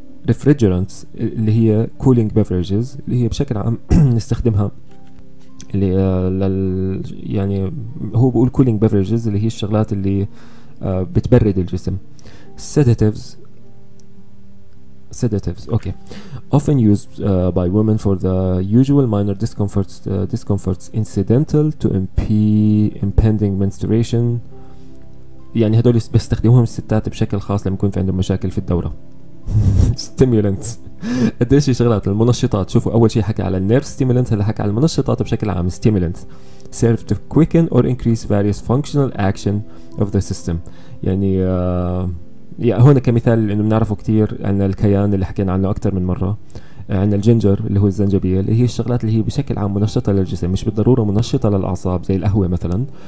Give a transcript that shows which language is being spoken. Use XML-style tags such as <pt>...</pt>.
<ar>refrigerants اللي هي</ar> <en>cooling beverages</en> <ar>اللي هي بشكل عام نستخدمها اللي يعني هو بيقول cooling beverages اللي هي الشغلات اللي بتبرد الجسم.</ar> <en>sedatives okay often used by women for the usual minor discomforts incidental to impending menstruation.</en> <ar>يعني هدول بيستخدموهم الستات بشكل خاص لما يكون في عندهم مشاكل في الدورة. stimulants قديش شغلات المنشطات. شوفوا أول شيء حكى على النيرف stimulants, هلا حكى على المنشطات بشكل عام.</ar> <en>stimulants serve to quicken or increase various functional action of the system.</en> <ar>يعني يعني هون كمثال لأنه بنعرفه كتير عن الكيان اللي حكينا عنه أكتر من مرة, عن الجينجر اللي هو الزنجبيل اللي هي الشغلات اللي هي بشكل عام منشطة للجسم مش بالضرورة منشطة للأعصاب زي القهوة مثلا.</ar>